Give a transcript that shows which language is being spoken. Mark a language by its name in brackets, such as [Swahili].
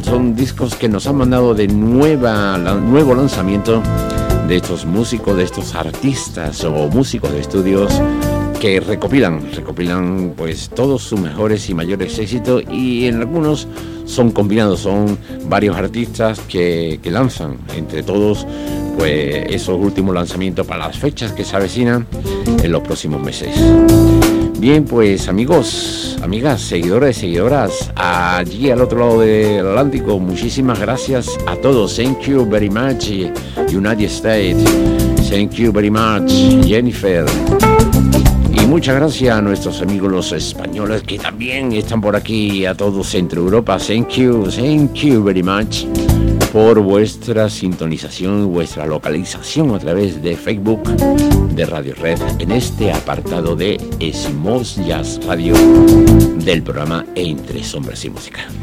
[Spanish] Son discos que nos han mandado de nuevo lanzamiento de estos músicos, de estos artistas o músicos de estudios que recopilan pues todos sus mejores y mayores éxitos, y en algunos son combinados, son varios artistas que lanzan entre todos pues esos últimos lanzamientos para las fechas que se avecinan en los próximos meses. Bien, pues amigos, amigas, seguidores, seguidoras, allí al otro lado del Atlántico, muchísimas gracias a todos. [English] Thank you very much, United States. Thank you very much, Jennifer. [Spanish] Y muchas gracias a nuestros amigos los españoles que también están por aquí, a todo Centro Europa. [English] Thank you very much [Spanish] por vuestra sintonización, vuestra localización a través de Facebook de Radio Red en este apartado de Smooth Jazz Radio del programa Entre Sombras y Música.